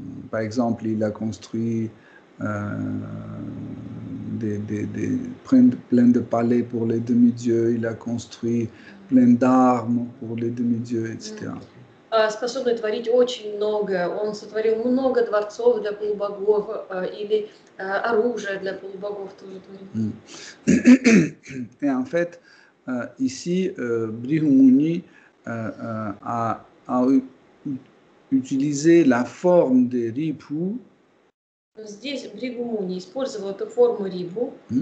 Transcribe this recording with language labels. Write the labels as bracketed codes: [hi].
[fr] Par exemple, il a construit plein de palais pour les demi-dieux. Il a construit plein d'armes pour les demi-dieux, etc. [ru] Способный творить очень много. Он сотворил много дворцов для полубогов или оружие для полубогов тоже творил. [fr] Et en fait, ici, Brihumuni a utilisé la forme des Ribhu. [ru] Здесь Брихумуни использовал эту форму Ribhu.